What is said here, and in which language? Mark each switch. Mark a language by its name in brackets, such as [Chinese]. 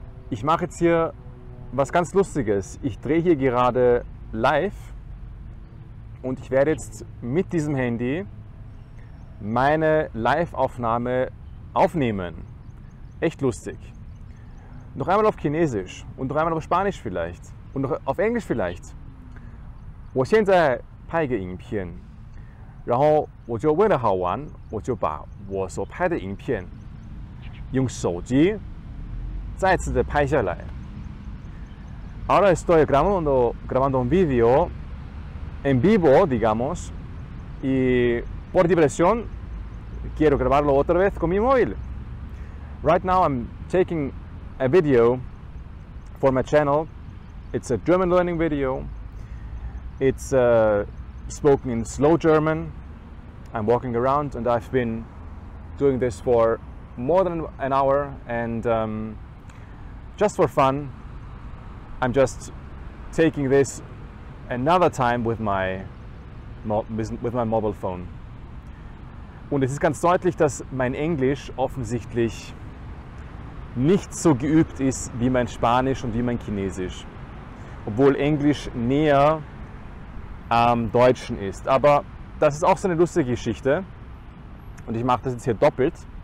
[German] Ich mache jetzt hier was ganz Lustiges. Ich drehe hier gerade live und ich werde jetzt mit diesem Handy meine Live-Aufnahme aufnehmen. Echt lustig. Noch einmal auf Chinesisch und noch einmal auf Spanisch vielleicht und noch auf Englisch vielleicht. [Chinese] 我现在拍一个影片，然后我就为了好玩，我就把我所拍的影片用手机再次的拍下来。 [Spanish] Ahora estoy grabando un video en vivo, digamos, y por diversión quiero grabarlo otra vez con mi móvil. [English] Right now I'm taking a video for my channel. It's a German learning video. It's spoken in slow German. I'm walking around and I've been doing this for more than an hour and just for fun. I'm just taking this another time with my mobile phone. [German] Und es ist ganz deutlich, dass mein Englisch offensichtlich nicht so geübt ist wie mein Spanisch und wie mein Chinesisch. Obwohl Englisch näher am Deutschen ist. Aber das ist auch so eine lustige Geschichte. Und ich mache das jetzt hier doppelt.